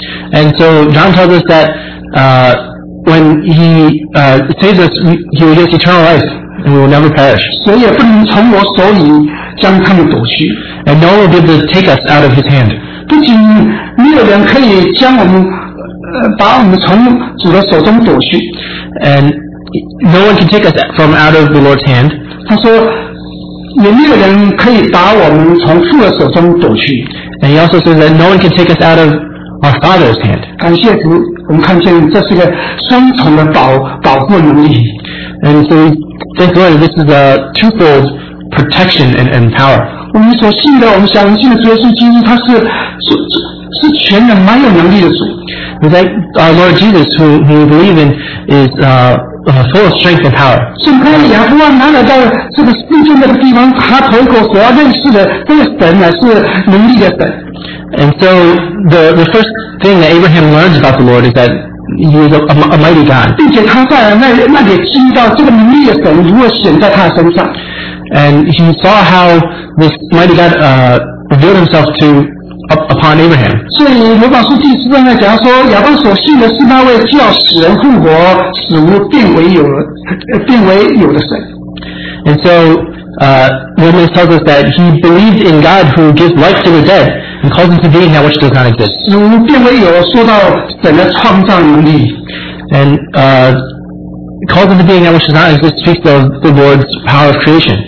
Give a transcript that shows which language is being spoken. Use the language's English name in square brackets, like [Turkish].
[English] And so John tells us that, when he saves us, he will give us eternal life, and we will never perish. [Chinese] 所以不能从我手里将他们夺去。 [English] And no one will be able to take us out of his hand. [Chinese] 不仅没有人可以将我们，把我们从主的手中夺去。 [English] And no one can take us from out of the Lord's hand. [Chinese] 他说，也没有人可以把我们从父的手中夺去。 [English] And he also says that no one can take us out of our Father's hand. [Chinese] 感谢主，我们看见这是一个双重的保护能力。 [English] And so thank God, this is a twofold protection and power. [Chinese] 我们所信的，我们相信的主耶稣基督，他是全能、蛮有能力的主。 [English] We thank our Lord Jesus, who we believe in, is full of strength and power. [Chinese] 圣经里亚伯拉罕来到这个世界那个地方，他头一个所要认识的这个神呢，是能力的神。 [English] And so the first thing that Abraham learns about the Lord is that He is a mighty God. [Chinese] 并且他在那里听到这个能力的神如何显在他的身上。 [English] And he saw how this mighty God revealed himself to upon Abraham. [Chinese] 所以罗马书第四章来讲说，亚伯所信的是那位叫死人复活、死无变为有的神。 [English] And so, Romans tells us that he believes in God who gives life to the dead and calls into being that which does not exist. Calls into being that which does not exist speaks of the Lord's power of creation.